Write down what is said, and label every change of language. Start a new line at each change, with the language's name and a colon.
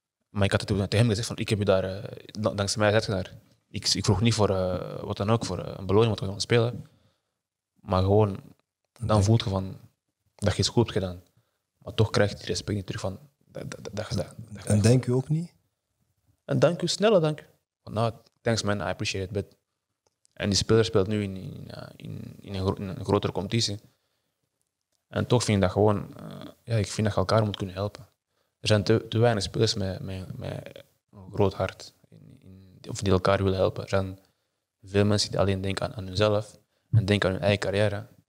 Dutch: Maar ik had het ook tegen hem gezegd van ik heb je daar, dankzij mij zet je daar. Ik vroeg niet voor wat dan ook, voor een beloning, wat we gaan spelen. Maar gewoon, dan voel je van dat je iets goed hebt gedaan. Maar toch krijg je die respect niet terug van dat. En dank u ook niet? En dank u, snelle dank.
English: Van, nou, thanks man, I appreciate it. But...
Dutch: En die speler speelt nu in een grotere competitie. En toch vind ik dat gewoon, ik vind dat je elkaar moet kunnen helpen. Er zijn te weinig spelers met een groot hart. Of die elkaar willen helpen. Er zijn veel mensen die alleen denken aan hunzelf en denken aan hun eigen carrière.